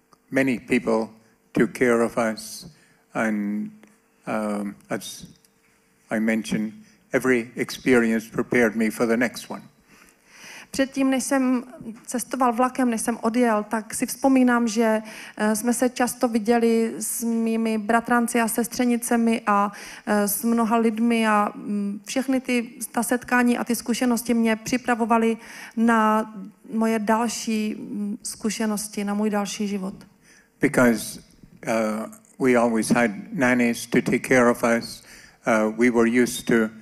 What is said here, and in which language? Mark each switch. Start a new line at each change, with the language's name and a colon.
English: Many people took care of us. And as I mentioned, every experience prepared me for the next one.
Czech: Předtím, než jsem cestoval vlakem, než jsem odjel, tak si vzpomínám, že jsme se často viděli s mými bratranci a sestřenicemi a s mnoha lidmi a všechny ta setkání a ty zkušenosti mě připravovaly na moje další zkušenosti, na můj další život.
English: Because we always had nannies to take care of us. We were used to